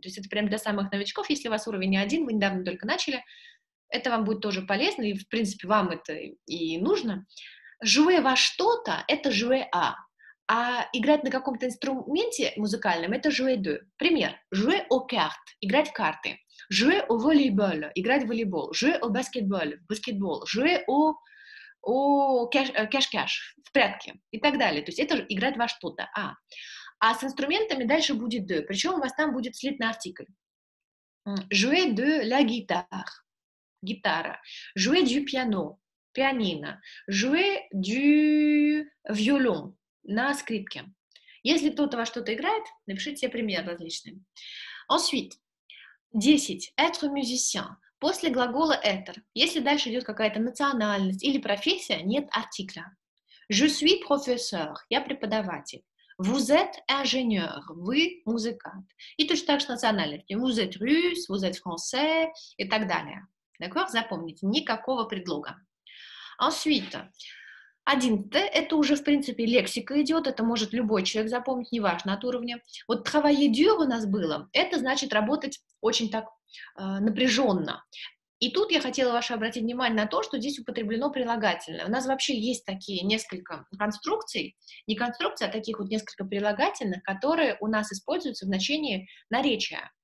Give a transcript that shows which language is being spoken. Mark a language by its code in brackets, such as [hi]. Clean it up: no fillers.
[ru] То есть это прям для самых новичков. Если у вас уровень не один, вы недавно только начали, это вам будет тоже полезно. И, в принципе, вам это и нужно. Jouer во что-то — это [fr] jouer à. [ru] А играть на каком-то инструменте музыкальном — это [fr] jouer deux. [ru] Пример. [fr] Jouer aux cartes — [ru] играть в карты. [fr] Jouer au volleyball — [ru] играть в волейбол. [fr] Jouer au basketball — баскетбол. Jouer au cache-cache — [ru] в прятки. И так далее. То есть это играть во что-то. А. А с инструментами дальше будет deux. Причем у вас там будет слитный артикль. [fr] Jouer de la guitare — гитара. Jouer du piano — пианино. Jouer du violon — [ru] на скрипке. Если кто-то во что-то играет, напишите себе пример различный. [fr] Ensuite, 10. Être musicien. [ru] После глагола être. Если дальше идет какая-то национальность или профессия, нет артикля. [fr] Je suis professeur. [ru] Я преподаватель. [fr] Vous êtes ingénieur. [ru] Вы музыкант. И точно так же национальность. [fr] Vous êtes russe, vous êtes français [ru] и так далее. [fr] D'accord? [ru] Запомните. Никакого предлога. Ensuite, 11-е, это уже, в принципе, лексика идет, это может любой человек запомнить, неважно от уровня. Вот [fr] «travailler dur» [ru] у нас было, это значит работать очень так напряженно. И тут я хотела ваше обратить внимание на то, что здесь употреблено прилагательное. У нас вообще есть такие несколько конструкций, не конструкции, а таких вот несколько прилагательных, которые у нас используются в значении наречия.